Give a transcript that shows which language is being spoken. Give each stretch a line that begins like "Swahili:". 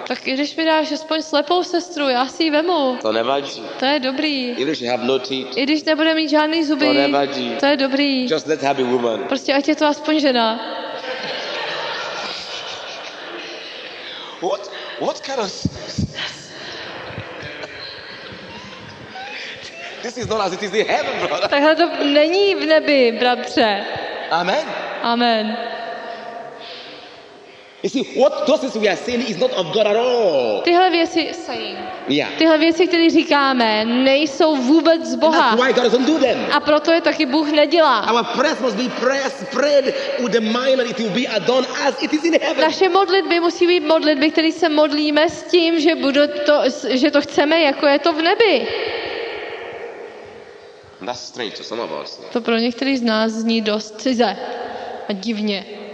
Czech: Tak když mi dáš aspoň slepou sestru, já si ji vemu. To nevadí. To je dobrý.
English: Even if she have no teeth.
Czech: I když nebude mít žádný zuby. To nevadí. To je dobrý.
English: Just let her be woman.
Czech: Prostě ať je to aspoň žena.
English: What kind of this is not as it is in heaven, brother.
Czech: Takhle to není v nebi, bratře.
English: Amen.
Czech: Amen.
English: You see, what those things we are saying is not of God at all.
Czech: Tyhle věci,
English: yeah.
Czech: Tyhle věci, které říkáme, nejsou vůbec z Boha.
English: And that's why God doesn't do them.
Czech: A proto je taky Bůh nedělá.
English: Our prayers must be prayed with the mind that it will be done as it is in heaven.
Czech: Naše modlitby musí být modlitby, které se modlíme s tím, že budu to, že to chceme, jako je to v nebi.
English: That's strange to some of us.
Czech: To pro některý z nás zní dost cize a divně.